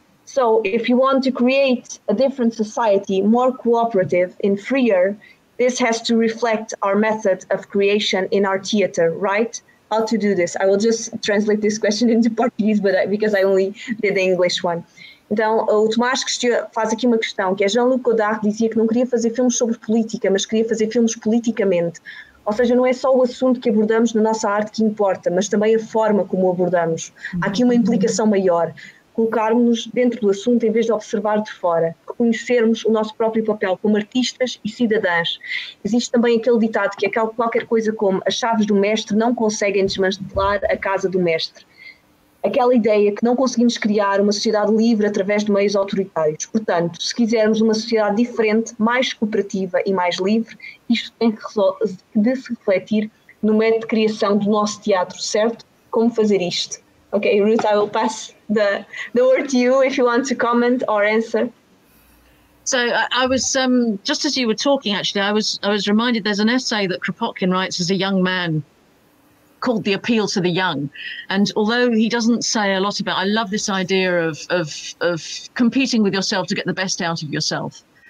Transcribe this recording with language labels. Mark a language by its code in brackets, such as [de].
[en] So if you want to create a different society, more cooperative and freer, this has to reflect our method of creation in our theater, right? How to do this? I will just translate this question into Portuguese, because I only did the English one. [pt] Então, o Tomás faz aqui uma questão, que é Jean-Luc Godard dizia que não queria fazer filmes sobre política, mas queria fazer filmes politicamente. Ou seja, não é só o assunto que abordamos na nossa arte que importa, mas também a forma como o abordamos. Há aqui uma implicação maior. Colocarmos-nos dentro do assunto em vez de observar de fora. Reconhecermos o nosso próprio papel como artistas e cidadãs. Existe também aquele ditado que é qualquer coisa como as chaves do mestre não conseguem desmantelar a casa do mestre. Aquela ideia que não conseguimos criar uma sociedade livre através de meios autoritários. Portanto, se quisermos uma sociedade diferente, mais cooperativa e mais livre, isto tem de se refletir no método de criação do nosso teatro, certo? Como fazer isto? [en] Ok, Ruth, I will pass the word to you if you want to comment or answer. So I was, just as you were talking actually, I was reminded there's an essay that Kropotkin writes as a young man called The Appeal to the Young. And although he doesn't say a lot about, I love this idea of competing with yourself to get the best out of yourself.